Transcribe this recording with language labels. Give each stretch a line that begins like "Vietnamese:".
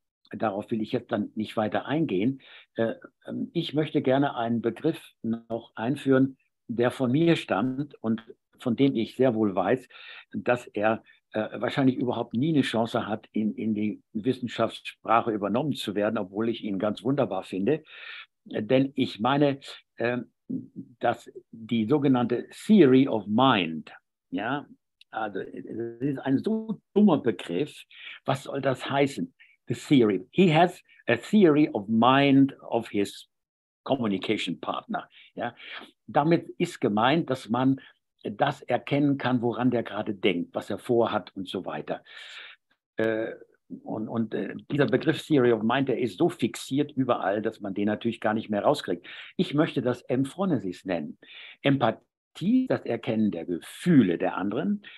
German: Darauf will ich jetzt dann nicht weiter eingehen. Ich möchte gerne einen Begriff noch einführen, der von mir stammt und von dem ich sehr wohl weiß, dass er wahrscheinlich überhaupt nie eine Chance hat, in die Wissenschaftssprache übernommen zu werden, obwohl ich ihn ganz wunderbar finde. Denn ich meine, dass die sogenannte Theory of Mind, ja, also es ist ein so dummer Begriff, was soll das heißen?
English: The Theory. He has a theory of mind of his Communication Partner.
German: Ja. Damit ist gemeint, dass man das erkennen kann, woran der gerade denkt, was er vorhat und so weiter. Und dieser Begriff Theory of Mind, der ist so fixiert überall, dass man den natürlich gar nicht mehr rauskriegt. Ich möchte das Emphronesis nennen. Empathie, das Erkennen der Gefühle der anderen.